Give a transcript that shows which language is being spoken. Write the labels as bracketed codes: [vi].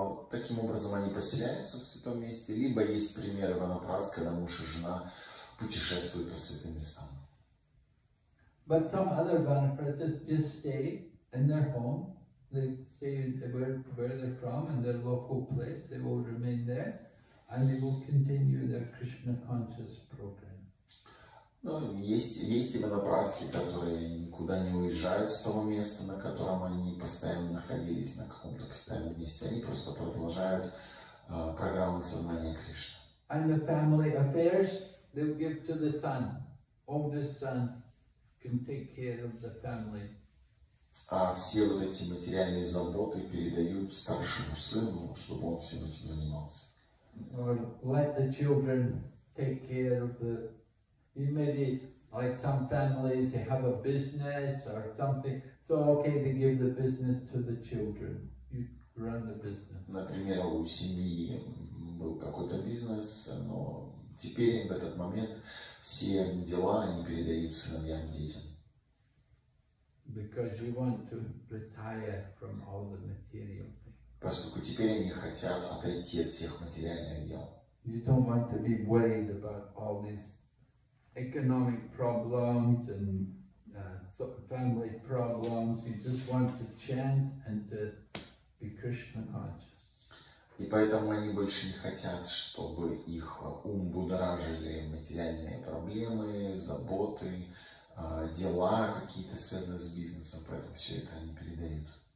[ru] Таким образом они поселяются в святом месте, либо есть примеры ванапраст, когда муж и жена путешествуют по святым местам. [en] But some other ванапрастас just stay in their home. They stay where they're from and their local place, they will remain there and they will continue their Krishna conscious program. [ru] Ну, есть и ванапрасхи, которые никуда не уезжают с того места, на котором они постоянно находились, на каком-то постоянном месте. Они просто продолжают программу сознания Кришны. [en] And the family affairs they give to the son. Oldest son can take care of the family. [ru] А все вот эти материальные заботы передают старшему сыну, чтобы он всем этим занимался. [en] Or let the children take care of the. You maybe like some families they have a business or something. So okay, they give the business to the children. You run the business. [ru] Например, у семьи был какой-то бизнес, но теперь в этот момент все дела они передают сыновьям, детям. [en] Because you want to retire from all the material things. [ru] Поскольку теперь они хотят отойти от всех материальных дел. [en] You don't want to be worried about all these economic problems and family problems. You just want to chant and to be Krishna conscious. [ru] И поэтому они больше не хотят, чтобы их ум будоражили материальные проблемы, заботы, дела какие-то связанные с бизнесом, поэтому все это они передают.